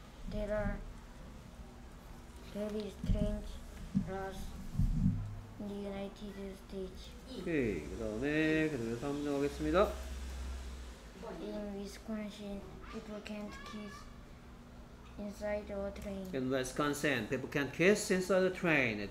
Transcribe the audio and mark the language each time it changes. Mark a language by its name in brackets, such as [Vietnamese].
[English] There are very strange laws in the United States. [Korean] 오케이. 그 다음에 계속해서 설명하겠습니다. [English] In Wisconsin, people can't kiss inside a train. In Wisconsin, people can't kiss inside a train.